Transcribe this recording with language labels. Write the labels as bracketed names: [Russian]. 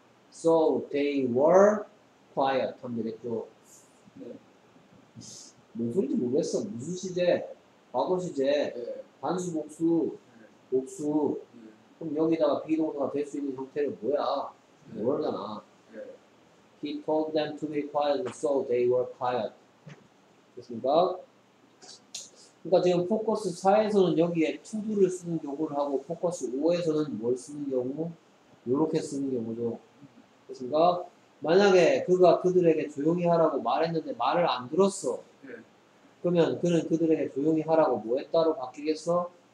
[English] so they were quiet [Korean] 하면 되겠죠. 뭔 소리인지 모르겠어. 무슨 시제? 과거 시제? 단수 복수? 복수. 그럼 여기다가 비동사가 될 수 있는 형태는 뭐야? 모르잖아. [English] He told them to be quiet, so they were quiet. [Korean] 됐습니까? 그러니까 지금 포커스 4에서는 여기에 to do를 쓰는 경우를 하고 포커스 5에서는 뭘 쓰는 경우? 요렇게 쓰는 경우죠. 됐습니까? 만약에 그가 그들에게 조용히 하라고 말했는데 말을 안 들었어. 그러면 그는 그들에게 조용히 하라고 뭐 했다로 바뀌겠어?